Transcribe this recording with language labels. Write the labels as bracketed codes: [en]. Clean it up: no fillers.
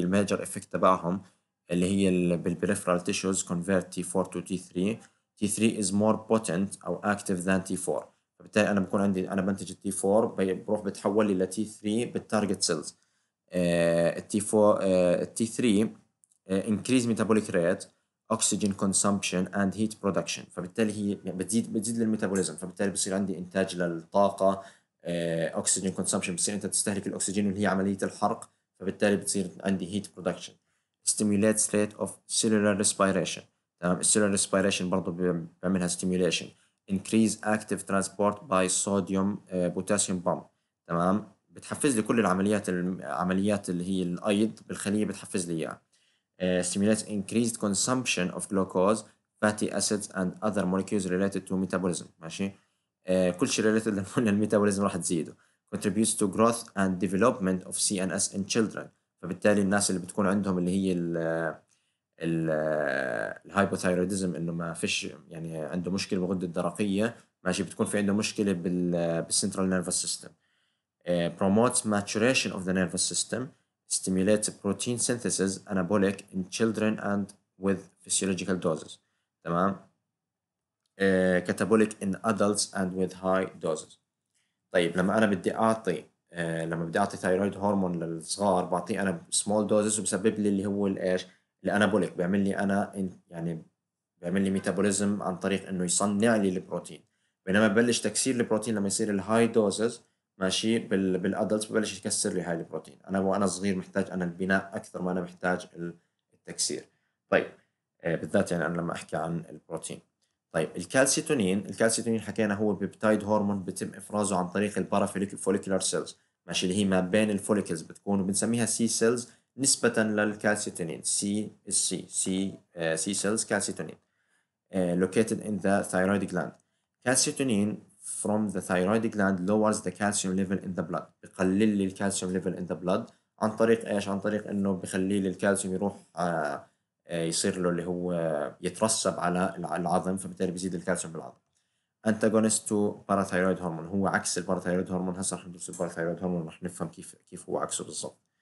[ar] الميجر افكت تبعهم اللي هي بالبريفرال تيشوز [en] convert T4 to T3. T3 is more potent [ar] أو [en] active than T4, [ar] فبالتالي أنا بكون عندي أنا بنتج T4 بروح بتحول لي T3 بالتارجت سيلز. [en] T4 T3 increase metabolic rate oxygen consumption and heat production. [ar] فبالتالي هي بتزيد للميتابوليزم، فبالتالي بصير عندي انتاج للطاقة، [en] oxygen consumption [ar] بصير انت تستهلك الاكسجين اللي هي عملية الحرق، فبالتالي بتصير عندي heat production. [en] stimulates rate of cellular respiration. تمام، cellular respiration [ar] برضو بعملها [en] stimulation. increase active transport by sodium potassium pump. [ar] تمام، بتحفز لي كل العمليات اللي هي الايض بالخلية بتحفز لي اياها. [en] stimulates increased consumption of glucose, fatty acids and other molecules related to metabolism. [ar] ماشي، كل شيء related للميتابوليزم راح تزيده. [en] contributes to growth and development of CNS in children. [ar] فبالتالي الناس اللي بتكون عندهم اللي هي الهايبوثايرويديزم، انه ما فيش يعني عنده مشكلة بغدة الدرقية، ماشي، بتكون في عنده مشكلة بالcentral nervous system. [en] promotes maturation of the nervous system. stimulates protein synthesis anabolic in children and with physiological doses. تمام، catabolic in adults and with high doses. [ar] طيب لما انا بدي اعطي ثايرويد هرمون للصغار، بعطيه انا small doses وبسبب لي اللي هو الايش الانابوليك، بيعمل لي انا يعني بيعمل لي ميتابوليزم عن طريق انه يصنع لي البروتين، بينما ببلش تكسير البروتين لما يصير الهاي دوزز، ماشي، بالادلت ببلش يكسر لي هاي البروتين. انا وانا صغير محتاج انا البناء اكثر ما انا محتاج التكسير. طيب بالذات يعني انا لما احكي عن البروتين. طيب الكالسيتونين حكينا هو بيبتايد هرمون بيتم افرازه عن طريق البارافوليكولار سيلز، ماشي، اللي هي ما بين الفوليكلز بتكون، وبنسميها سي سيلز نسبة للكالسيتونين. [en] C cells calcitonin located in the thyroid gland. Calcitonin from the thyroid gland lowers the calcium level in the blood. [ar] بقلل لي الكالسيوم [en] level in the blood [ar] عن طريق ايش؟ عن طريق انه بخلي لي الكالسيوم يروح يصير له اللي هو يترسب على العظم، فبالتالي بيزيد الكالسيوم بالعظم. [en] antagonist to parathyroid hormone، [ar] هو عكس الباراثايرويد هرمون. هسه رح ندرس الباراثايرويد هرمون رح نفهم كيف هو عكسه بالضبط.